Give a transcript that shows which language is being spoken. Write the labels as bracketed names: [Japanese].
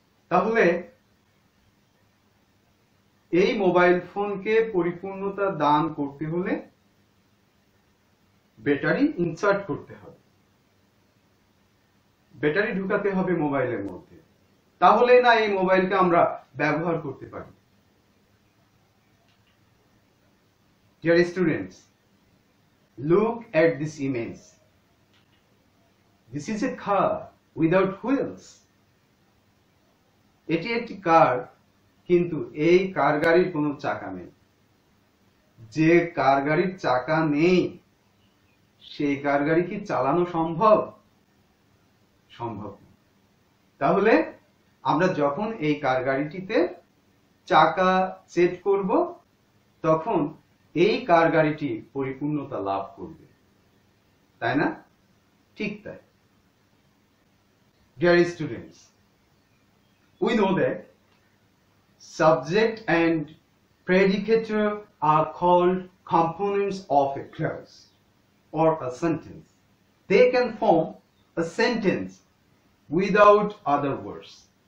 [Bangla] তাহলে এই মোবাইল ফোনকে পরিপূর্ণতা দান করতে হলে ব্যাটারি ইনসার্ট করতে হবে, ব্যাটারি ঢুকাতে হবে মোবাইলের মধ্যে। তাহলে না এই মোবাইলকে আমরা ব্যবহার করতে পারি। [English] Dear students, look at this image. This is a car without wheels. [Bangla] এটি একটি কার, কিন্তু এই কার গাড়ির কোনো চাকা নেই। যে কার গাড়ির চাকা নেই সেই কার গাড়ি কি চালানো সম্ভব? সম্ভব। তাহলে আমরা যখন এই কার গাড়িটিতে চাকা সেট করব তখন এই কার গাড়িটি পরিপূর্ণতা লাভ করবে, তাই না? ঠিক তাই। [English] Dear students, we know that subject and predicate are called components of a clause or a sentence. They can form a sentence without other words.